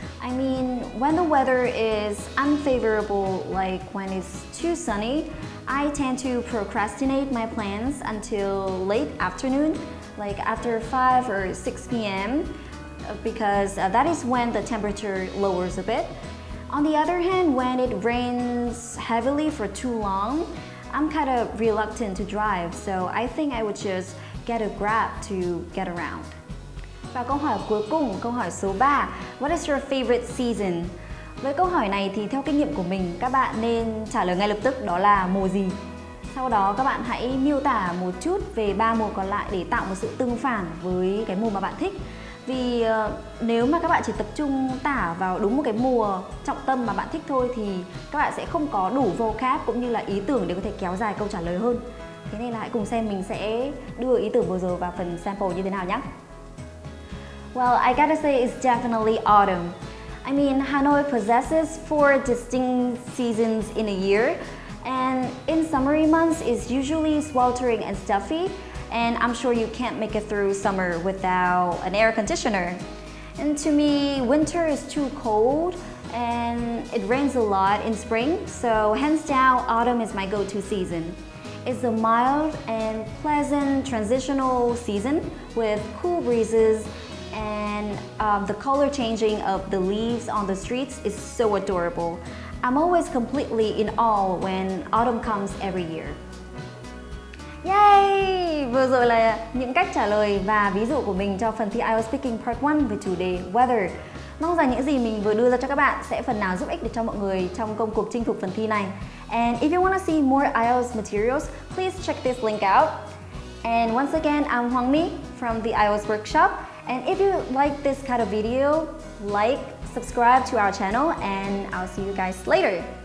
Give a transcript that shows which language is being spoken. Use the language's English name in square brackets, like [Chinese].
[English] I mean, when the weather is unfavorable, like when it's too sunny, I tend to procrastinate my plans until late afternoon, like after 5 or 6 p.m. because that is when the temperature lowers a bit. On the other hand, when it rains heavily for too long, I'm kind of reluctant to drive, so I think I would just get a Grab to get around. [Vietnamese] Và câu hỏi cuối cùng, câu hỏi số 3, [English] What is your favorite season? [Vietnamese] Với câu hỏi này thì theo kinh nghiệm của mình, các bạn nên trả lời ngay lập tức đó là mùa gì. Sau đó các bạn hãy miêu tả một chút về 3 mùa còn lại để tạo một sự tương phản với cái mùa mà bạn thích. Vì nếu mà các bạn chỉ tập trung tả vào đúng một cái mùa trọng tâm mà bạn thích thôi thì các bạn sẽ không có đủ vocab cũng như là ý tưởng để có thể kéo dài câu trả lời hơn. Thế nên là hãy cùng xem mình sẽ đưa ý tưởng vừa rồi vào phần sample như thế nào nhé. [English] Well, I gotta say it's definitely autumn. I mean, Hanoi possesses 4 distinct seasons in a year. And in summery months, it's usually sweltering and stuffy. And I'm sure you can't make it through summer without an air conditioner. And to me, winter is too cold and it rains a lot in spring. So hands down, autumn is my go-to season. It's a mild and pleasant transitional season with cool breezes. And the color changing of the leaves on the streets is so adorable. I'm always completely in awe when autumn comes every year. Yay! [Vietnamese] Vừa rồi là những cách trả lời và ví dụ của mình cho phần thi IELTS Speaking Part 1 về chủ đề weather. Mong rằng những gì mình vừa đưa ra cho các bạn sẽ phần nào giúp ích được cho mọi người trong công cuộc chinh phục phần thi này. [English] And if you want to see more IELTS materials, please check this link out. And once again, I'm Hoàng My from the IELTS Workshop. And if you like this kind of video, like, subscribe to our channel, and I'll see you guys later.